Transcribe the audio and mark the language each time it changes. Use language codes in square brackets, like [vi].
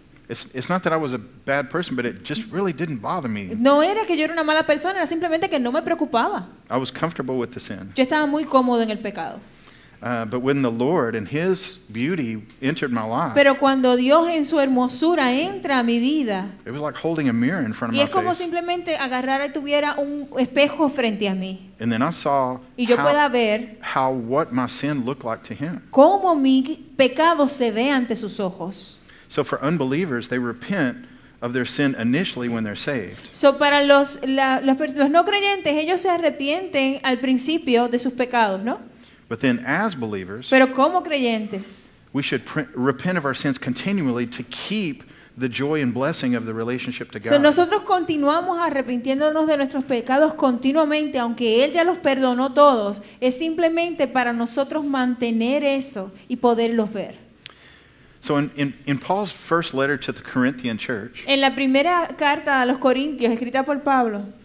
[en] It's not that I was a bad person, but it just really didn't bother me. [es] No era que yo era una mala persona, era simplemente que no me preocupaba. [en] I was comfortable with the sin. [es] Yo estaba muy cómodo en el pecado. [en] But when the Lord and His beauty entered my life, [es] pero cuando Dios en su hermosura entra a mi vida, [en] it was like holding a mirror in front of my face. [es] Y es como simplemente agarrar y tuviera un espejo frente a mí. [en] And then I saw how what my sin looked like to Him. [es] Cómo mi pecado se ve ante sus ojos. [en] So for unbelievers, they repent of their sin initially when they're saved. [es] So para los no creyentes, ellos se arrepienten al principio de sus pecados, ¿no? [en] But then as believers, [es] pero como creyentes, [en] we should repent of our sins continually to keep the joy and blessing of the relationship to God. [es] So nosotros continuamos arrepintiéndonos de nuestros pecados continuamente, aunque Él ya los perdonó todos, es simplemente para nosotros mantener eso y poderlos ver. [en] So in Paul's first letter to the Corinthian church, [es] en la primera carta a los Corintios, escrita por Pablo,